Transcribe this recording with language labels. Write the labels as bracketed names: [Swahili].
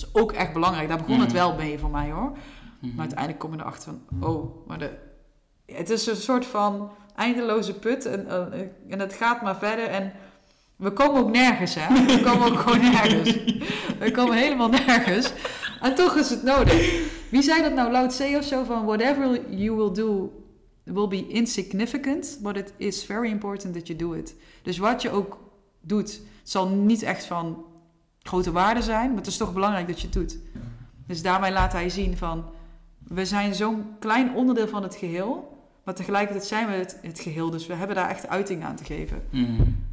[Dutch] Dat is ook echt belangrijk, daar begon het wel mee voor mij hoor. Mm-hmm. Maar uiteindelijk kom je erachter van, oh, maar de, het is een soort van eindeloze put en het gaat maar verder en we komen ook nergens, hè? We komen ook gewoon nergens. We komen helemaal nergens. En toch is het nodig. Wie zei dat nou? [English] Lao Tse [Dutch] of zo van, [English] whatever you will do will be insignificant, but it is very important that you do it. [Dutch] Dus wat je ook doet, zal niet echt van grote waarde zijn, maar het is toch belangrijk dat je het doet. Dus daarmee laat hij zien van, we zijn zo'n klein onderdeel van het geheel, maar tegelijkertijd zijn we het geheel, dus we hebben daar echt uiting aan te geven. Mm-hmm.